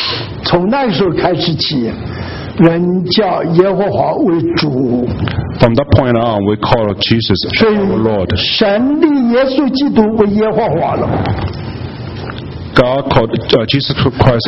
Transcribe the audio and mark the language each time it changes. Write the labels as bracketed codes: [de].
[zh] 他就说了，从那时候开始起。人叫耶和华为主。 [en] From that point on, we call Jesus our Lord. [zh] 神立耶稣基督为耶和华了。 [en] God called Jesus Christ.